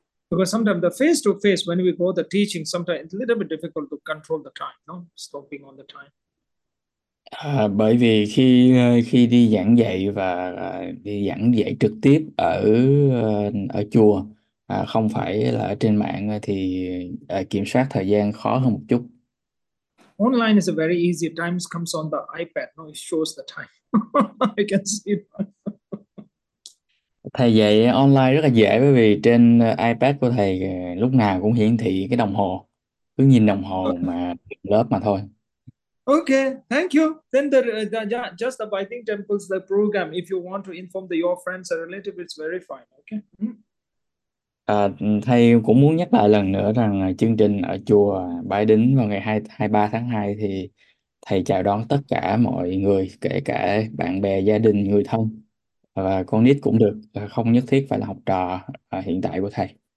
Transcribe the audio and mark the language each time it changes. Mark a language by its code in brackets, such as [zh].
[en] Because sometimes the face to face, when we go the teaching, sometimes it's a little bit difficult to control the time, no? Stopping on the time. [vi] Bởi vì khi khi đi giảng dạy và đi giảng dạy trực tiếp ở ở chùa, không phải là ở trên mạng, thì kiểm soát thời gian khó hơn một chút. [en] Online is a very easy. Times comes on the iPad, no? It shows the time. I can see it. [vi] Thầy dạy online rất là dễ bởi vì trên iPad của thầy lúc nào cũng hiển thị cái đồng hồ. Cứ nhìn đồng hồ mà lớp mà thôi. [en] Okay, thank you. Then the just the Viking temples, the program, if you want to inform the your friends and relative, it's very fine. Okay. [vi] Thầy cũng muốn nhắc lại lần nữa rằng chương trình ở chùa Bái Đính vào ngày 23 tháng 2 thì thầy chào đón tất cả mọi người, kể cả bạn bè, gia đình, người thân và con nít cũng được, không nhất thiết phải là học trò hiện tại của thầy.